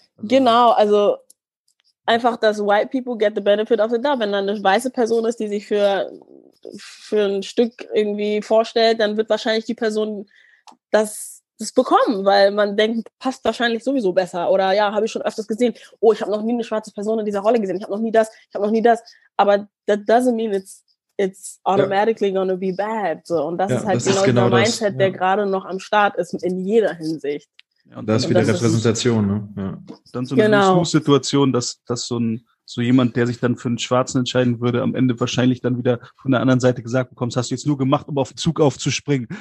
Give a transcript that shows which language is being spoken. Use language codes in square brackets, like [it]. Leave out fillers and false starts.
[de] Also genau, also einfach, dass [en] white people get the benefit of the doubt. [de] Wenn dann eine weiße Person ist, die sich für ein Stück irgendwie vorstellt, dann wird wahrscheinlich die Person das bekommen, weil man denkt, passt wahrscheinlich sowieso besser. Oder ja, habe ich schon öfters gesehen. Oh, ich habe noch nie eine schwarze Person in dieser Rolle gesehen. Ich habe noch nie das. [en] Aber that doesn't mean it's automatically gonna be bad. [de] So, und das ist halt das genau, der Mindset, der gerade noch am Start ist, in jeder Hinsicht. Ja, und das ist wieder Repräsentation, ne? Ja. Dann so eine Situation, dass so jemand, der sich dann für einen Schwarzen entscheiden würde, am Ende wahrscheinlich dann wieder von der anderen Seite gesagt bekommt, hast du jetzt nur gemacht, um auf den Zug aufzuspringen.